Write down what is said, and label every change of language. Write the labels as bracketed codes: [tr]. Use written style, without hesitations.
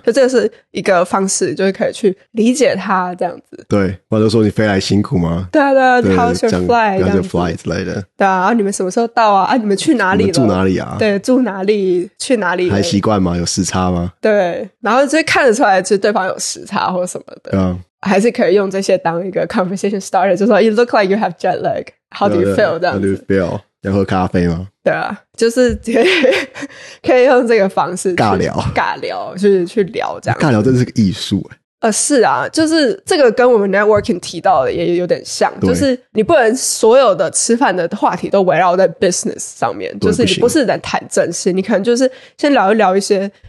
[zh] 就这是一个方式，就是可以去理解他这样子，对，或者说你飞来辛苦吗？对啊对啊，他是飞。然后就 fly 之类的，对啊，然后你们什么时候到啊？啊，你们去哪里了？住哪里啊？对，住哪里？去哪里？还习惯吗？有时差吗？对，然后就看得出来，就是对方有时差或什么的，对啊，还是可以用这些当一个 [en] conversation starter， [zh] 就说 [en] you look like you have jet lag， how do you feel？ [zh] 这样子， [en] how do you feel？ [zh] 要喝咖啡吗？对啊，就是可以用这个方式尬聊，尬聊就是去聊这样，尬聊真的是个艺术哎。是啊，就是这个跟我们 networking 提到的也有点像，就是你不能所有的吃饭的话题都围绕在 business 上面，就是你不是在谈正事，你可能就是先聊一聊一些，